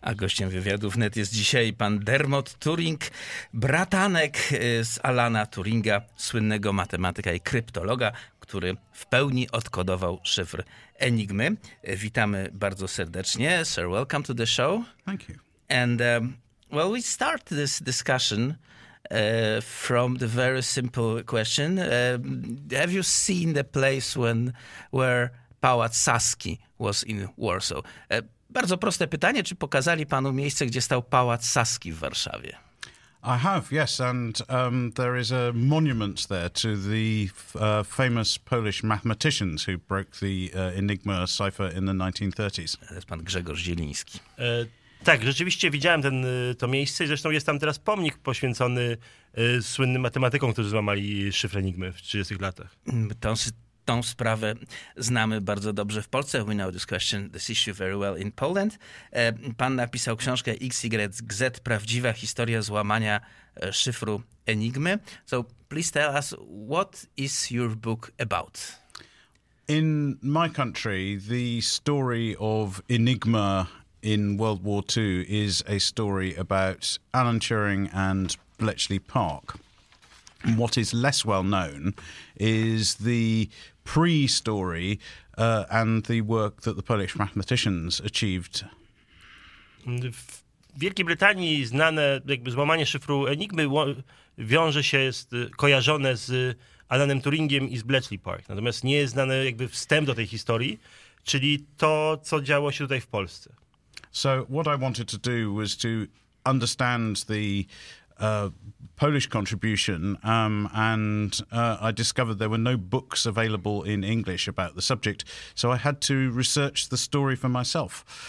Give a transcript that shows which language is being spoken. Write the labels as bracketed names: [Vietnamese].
[Polish] A gościem wywiadu wnet jest dzisiaj pan Dermot Turing, bratanek z Alana Turinga, słynnego matematyka i kryptologa, który w pełni odkodował szyfr Enigmy. Witamy bardzo serdecznie. [English] Sir, welcome to the show. Thank you. And, well, we start this discussion from the very simple question. Have you seen the place where Pałac Saski was in Warsaw? [Polish] Bardzo proste pytanie, czy pokazali panu miejsce, gdzie stał Pałac Saski w Warszawie? [English] I have, yes, and there is a monument there to the famous Polish mathematicians who broke the Enigma cipher in the 1930s. [Polish] To jest pan Grzegorz Zieliński. Tak, rzeczywiście widziałem to miejsce i zresztą jest tam teraz pomnik poświęcony słynnym matematykom, którzy złamali szyfr Enigmy w 30-tych latach. Tą sprawę znamy bardzo dobrze w Polsce. [English] We know this question, this issue very well in Poland. [Polish] Pan napisał książkę XYZ, prawdziwa historia złamania szyfru Enigmy. [English] So please tell us, what is your book about? In my country, the story of Enigma in World War II is a story about Alan Turing and Bletchley Park. And what is less well known is the pre-story and the work that the Polish mathematicians achieved. [Polish] W Wielkiej Brytanii znane jakby złamanie szyfru Enigmy wiąże się, jest kojarzone z Alanem Turingiem i z Bletchley Park. Natomiast nie jest znany jakby wstęp do tej historii, czyli to, co działo się tutaj w Polsce. [English] So what I wanted to do was to understand the Polish contribution, and I discovered there were no books available in English about the subject, so I had to research the story for myself.